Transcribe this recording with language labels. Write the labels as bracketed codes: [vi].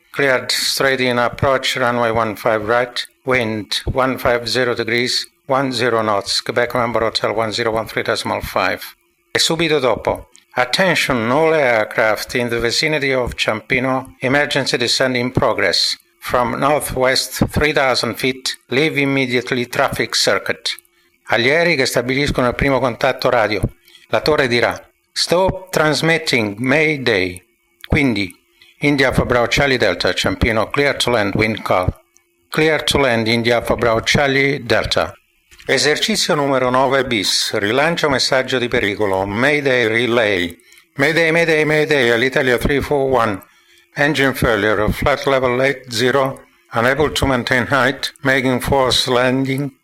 [en] Cleared straight in approach, runway 15 right, wind 150 degrees, 10 knots, Quebec Member Hotel 1013.5. [it] E subito dopo, [en] attention, all aircraft in the vicinity of Campino, emergency descent in progress. From northwest, 3000 feet, leave immediately traffic circuit. [it] Agli aerei che stabiliscono il primo contatto radio, la torre dirà [en] Stop transmitting, mayday. [it] Quindi, [en] India Alpha Bravo Charlie Delta, Campino, clear to land, wind call. Clear to land, India Alpha Bravo Charlie Delta. [it] Esercizio numero 9 bis, rilancio messaggio di pericolo, [en] mayday relay. Mayday, mayday, mayday, Alitalia 341. Engine failure, flight level 80, unable to maintain height, making forced landing.